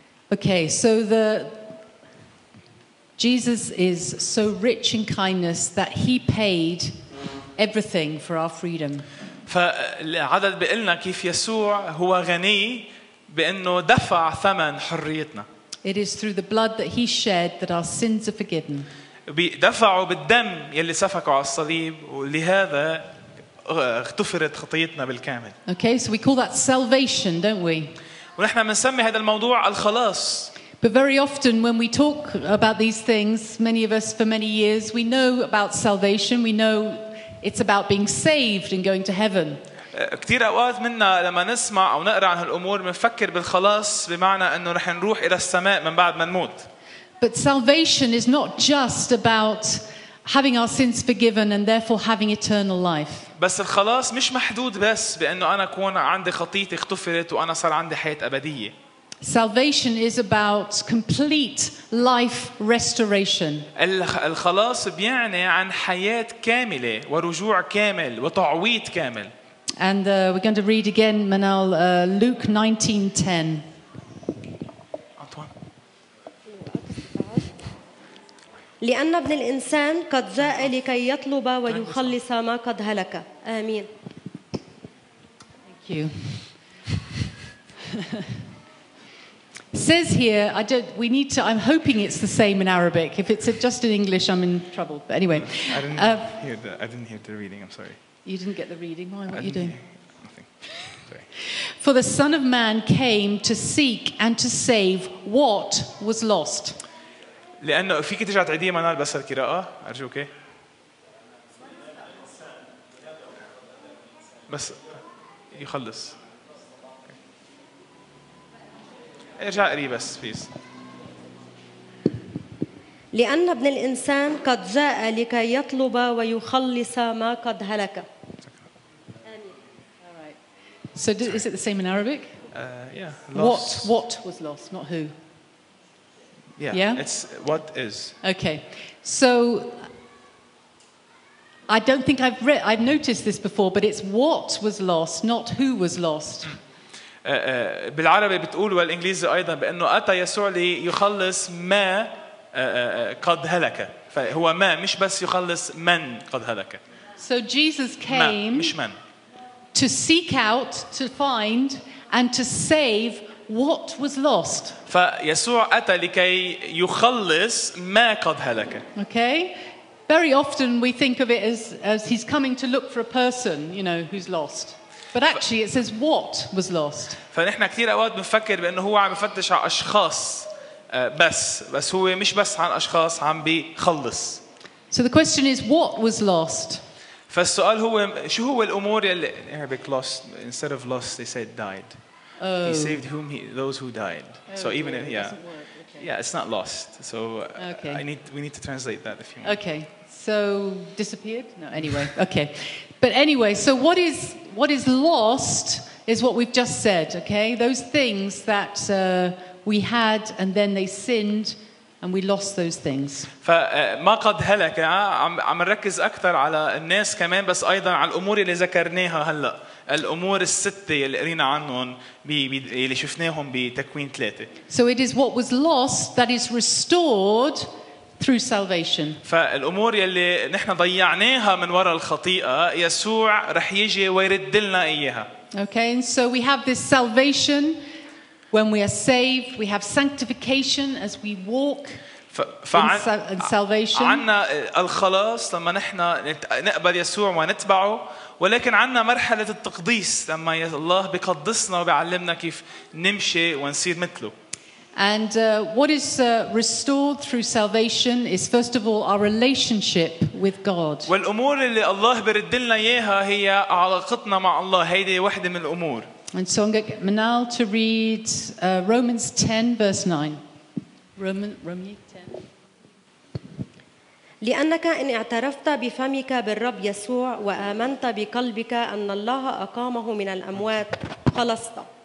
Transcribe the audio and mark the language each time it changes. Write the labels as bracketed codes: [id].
[en] Okay, so the Jesus is so rich in kindness that he paid everything for our freedom. [ar] فالعدد بيقلنا كيف يسوع هو غني بأنه دفع ثمن حريتنا. [en] It is through the blood that he shed that our sins are forgiven. [ar] بدفعوا بالدم يلي سفكوا على الصليب ولهذا اغتفرت خطيتنا بالكامل. [en] Okay, so we call that salvation, don't we? [ar] ونحن بنسمي هذا الموضوع الخلاص. [en] But very often when we talk about these things, many of us for many years, we know about salvation, we know it's about being saved and going to heaven. [ar] كثير اوقات منا لما نسمع او نقرا عن هالامور بنفكر بالخلاص بمعنى انه رح نروح الى السماء من بعد ما نموت. [en] But salvation is not just about having our sins forgiven and therefore having eternal life. [ar] بس الخلاص مش محدود بس بانه انا اكون عندي خطيئتي اغتفرت وانا صار عندي حياه ابديه. [en] Salvation is about complete life restoration. [ar] الخلاص بيعني عن حياة كاملة ورجوع كامل وتعويض كامل. [en] And we're going to read again, Manal, Luke 19:10. Antoine. [ar] لأن ابن الإنسان قد جاء لكي يطلب ويخلص ما قد هلك. آمين. [en] Thank you. Says here, I don't. We need to. I'm hoping it's the same in Arabic. If it's just in English, I'm in trouble. But anyway, I didn't hear the reading. I'm sorry. You didn't get the reading. Why? What are you doing? Nothing. Sorry. For the Son of Man came to seek and to save what was lost. [ar] لأنه فيك ترجع تعديه منال بس القراءة. أرجوك. بس يخلص. ارجع قري بس بليز. لأن ابن الإنسان قد جاء لكي يطلب ويخلص ما قد هلك. [en] So did, is it the same in Arabic? Yeah. What was lost, not who? Yeah. It's what is. Okay. So I don't think I've noticed this before, but it's what was lost, not who was lost. [ar] بالعربي بتقول والإنجليزي أيضا بأنه أتى يسوع ليخلص ما قد هلك. فهو ما مش بس يخلص من قد هلك. [en] So Jesus came. [ar] مش من. [en] To seek out, to find, and to save what was lost. [ar] فيسوع أتى لكي يخلص ما قد هلك. [en] Okay. Very often we think of it as he's coming to look for a person, you know, who's lost. But actually, it says what was lost. [ar] فنحن كثير أوقات بنفكر بأنه هو عم يفتش على أشخاص بس هو مش بس عن أشخاص عم بيخلص. [en] So the question is, what was lost? [ar] فالسؤال هو شو هو الأمور اللي [en] Arabic lost instead of lost they said died. Oh. He saved whom he, those who died. Oh, so even if, yeah, okay. Yeah, it's not lost. So okay. we need to translate that if you want. Okay. So disappeared? No. Anyway. Okay. But anyway, so what is lost is what we've just said. Okay. Those things that we had and then they sinned. And we lost those things. [ar] فما قد هلك عم نركز أكثر على الناس كمان بس أيضا على الأمور اللي ذكرناها هلا الأمور الستة اللي قرينا عنهم اللي شفناهم بتكوين ثلاثة. [en] So it is what was lost that is restored through salvation. [ar] فالأمور اللي نحن ضيعناها من وراء الخطيئة يسوع رح يجي ويرد لنا إياها. [en] Okay, and so we have this salvation. When we are saved, we have sanctification as we walk in salvation. [ar] عنا الخلاص لما نحنا نقبل يسوع ونتبعه، ولكن عنا مرحلة التقديس لما الله بيقدسنا وبيعلمنا كيف نمشي ونصير مثله. [en] And what is restored through salvation is first of all our relationship with God. [ar] والأمور اللي الله بيرد لنا إياها هي علاقتنا مع الله. هيدي واحدة من الأمور. [en] And so I'm going to get Manal to read Romans 10, verse 9. Romans 10. [ar] لأنك إن اعترفت بفمك بالرب يسوع وآمنت بقلبك أن الله أقامه من الأموات خلصت.